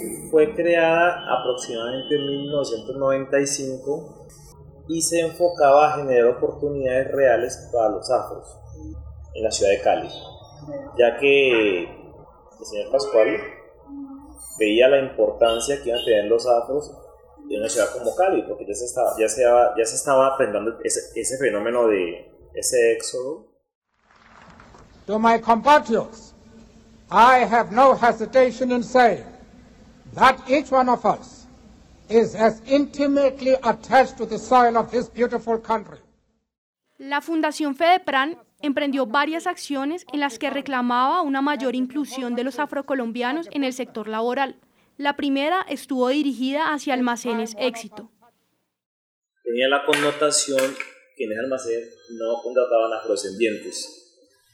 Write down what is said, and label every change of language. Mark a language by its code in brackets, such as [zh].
[es] Fue creada aproximadamente en 1995 y se enfocaba a generar oportunidades reales para los afros en la ciudad de Cali, ya que el señor Pascual veía la importancia que iban a tener los afros en una ciudad como Cali, porque ya se estaba aprendiendo ese fenómeno de ese éxodo. [en] To my compatriots, I have no hesitation in saying that each one of us is as intimately attached to the soil of this beautiful country. [es] La Fundación FEDEPRAN emprendió varias acciones en las que reclamaba una mayor inclusión de los afrocolombianos en el sector laboral. La primera estuvo dirigida hacia almacenes Éxito. Tenía la connotación que en el almacén no contrataban afrodescendientes.